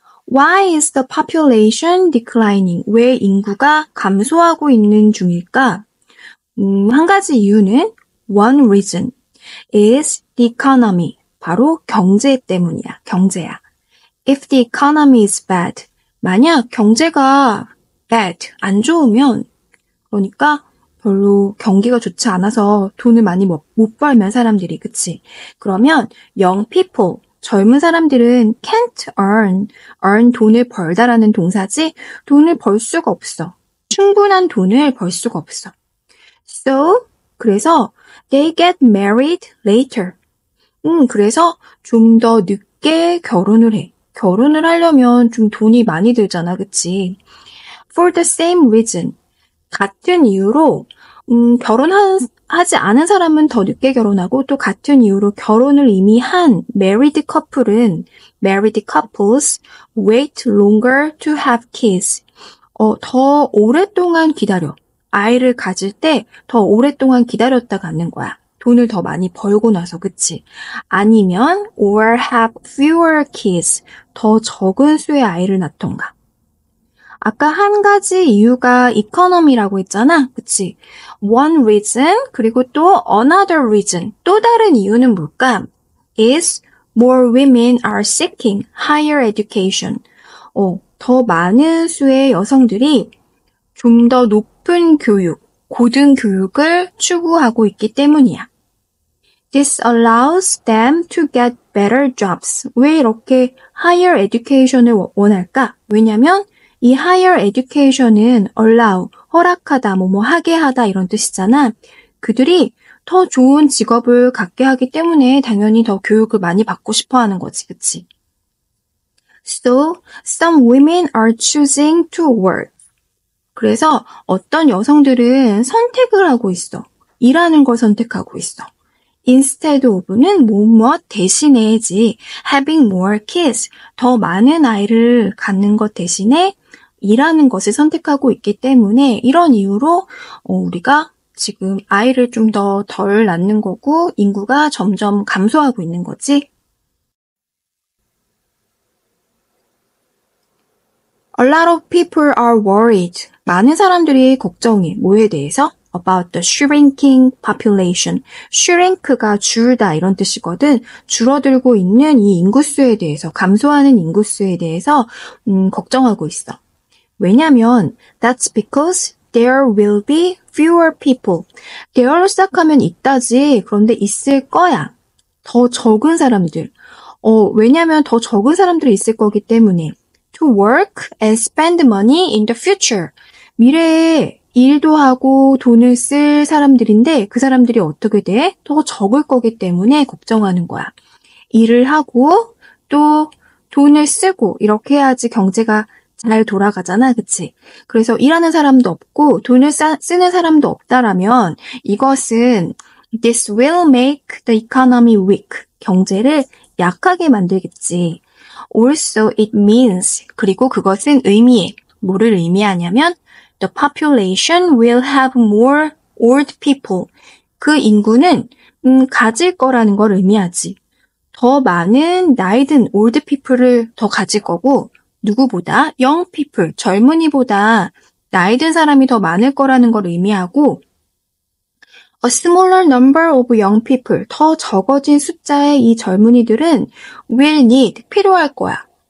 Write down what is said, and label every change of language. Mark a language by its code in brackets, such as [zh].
[en] Why is the population declining? [ko] 왜 인구가 감소하고 있는 중일까? 한 가지 이유는 [en] one reason is the economy. [ko] 바로 경제 때문이야. 경제야. [en] If the economy is bad. [ko] 만약 경제가 [en] bad, [ko] 안 좋으면 그러니까 별로 경기가 좋지 않아서 돈을 많이 못 벌면 사람들이, 그치? 그러면 [en] young people, [ko] 젊은 사람들은 [en] can't earn [ko] 돈을 벌다라는 동사지 돈을 벌 수가 없어. 충분한 돈을 벌 수가 없어. [en] So, [ko] 그래서 [en] they get married later. [ko] 그래서 좀더 늦게 결혼을 해. 결혼을 하려면 좀 돈이 많이 들잖아, 그치? [en] For the same reason. [ko] 같은 이유로 결혼하지 않은 사람은 더 늦게 결혼하고 또 같은 이유로 결혼을 이미 한 [en] married couple [ko] 은 [en] married couples wait longer to have kids. [ko] 더 오랫동안 기다려. 아이를 가질 때 더 오랫동안 기다렸다 갖는 거야. 돈을 더 많이 벌고 나서, 그치? 아니면 [en] or have fewer kids. [ko] 더 적은 수의 아이를 낳던가. 아까 한 가지 이유가 economy라고 했잖아, 그치? [en] One reason, [ko] 그리고 또 [en] another reason, [ko] 또 다른 이유는 뭘까? [en] Is more women are seeking higher education. [ko] 더 많은 수의 여성들이 좀 더 높은 교육, 고등 교육을 추구하고 있기 때문이야. [en] This allows them to get better jobs. [ko] 왜 이렇게 higher education을 원할까? 왜냐면 이 [en] higher education [ko] 은 allow, 허락하다, 뭐뭐 하게 하다 이런 뜻이잖아. 그들이 더 좋은 직업을 갖게 하기 때문에 당연히 더 교육을 많이 받고 싶어 하는 거지, 그치? [en] So, some women are choosing to work. [ko] 그래서 어떤 여성들은 선택을 하고 있어. 일하는 걸 선택하고 있어. [en] Instead of [ko] 는 뭐뭐 대신에지. [en] Having more kids, [ko] 더 많은 아이를 갖는 것 대신에 일하는 것을 선택하고 있기 때문에 이런 이유로 우리가 지금 아이를 좀 더 덜 낳는 거고 인구가 점점 감소하고 있는 거지. [en] A lot of people are worried. [ko] 많은 사람들이 걱정해. 뭐에 대해서? [en] About the shrinking population. [ko] Shrink가 줄다 이런 뜻이거든. 줄어들고 있는 이 인구수에 대해서, 감소하는 인구수에 대해서 걱정하고 있어. 왜냐면 [en] that's because there will be fewer people. [ko] There로 시작하면 있다지. 그런데 있을 거야. 더 적은 사람들. 왜냐면 더 적은 사람들이 있을 거기 때문에 [en] to work and spend money in the future. [ko] 미래에 일도 하고 돈을 쓸 사람들인데 그 사람들이 어떻게 돼? 더 적을 거기 때문에 걱정하는 거야. 일을 하고 또 돈을 쓰고 이렇게 해야지 경제가 잘 돌아가잖아, 그치? 그래서 일하는 사람도 없고 돈을 쓰는 사람도 없다라면 이것은 [en] this will make the economy weak. [ko] 경제를 약하게 만들겠지. [en] Also, it means, [ko] 그리고 그것은 의미해. 뭐를 의미하냐면 [en] the population will have more old people. [ko] 그 인구는 가질 거라는 걸 의미하지. 더 많은 나이든 [en] old people [ko] 을 더 가질 거고 누구보다 [en] young people, [ko] 젊은이보다 나이 든 사람이 더 많을 거라는 걸 의미하고 [en] a smaller number of young people, [ko] 더 적어진 숫자의 이 젊은이들은 [en] will need, [ko] 필요할 거야.